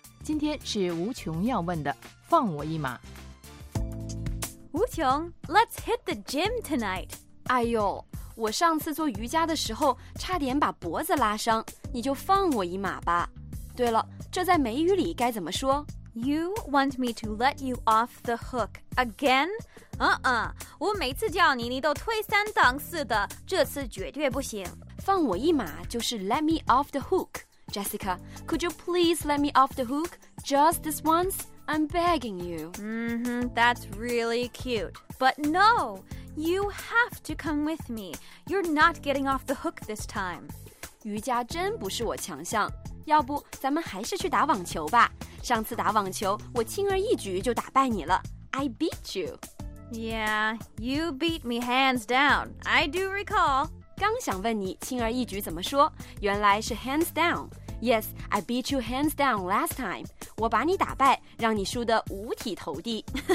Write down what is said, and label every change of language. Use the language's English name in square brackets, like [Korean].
[Chinese] 今天是吴琼要问的，放我一马。 [English] 吴琼 ，Let's hit the gym tonight。 [Chinese] 哎呦，我上次做瑜伽的时候差点把脖子拉伤，你就放我一马吧。对了，这在美语里该怎么说 [English] ？You want me to let you off the hook again？ [Chinese] 我每次叫你，你都推三挡四的，这次绝对不行。放我一马就是 [English] let me off the hook。 Jessica, could you please let me off the hook just this once? I'm begging you. Mm-hmm, that's really cute. But no, you have to come with me. You're not getting off the hook this time. [Chinese] 瑜伽真不是我强项。要不咱们还是去打网球吧。上次打网球，我轻而易举就打败你了。 [English] I beat you. Yeah, you beat me hands down. I do recall. [Chinese] 刚想问你轻而易举怎么说，原来是 [English] hands down. Yes, I beat you hands down last time. [Chinese] 我把你打败，让你输得五体投地。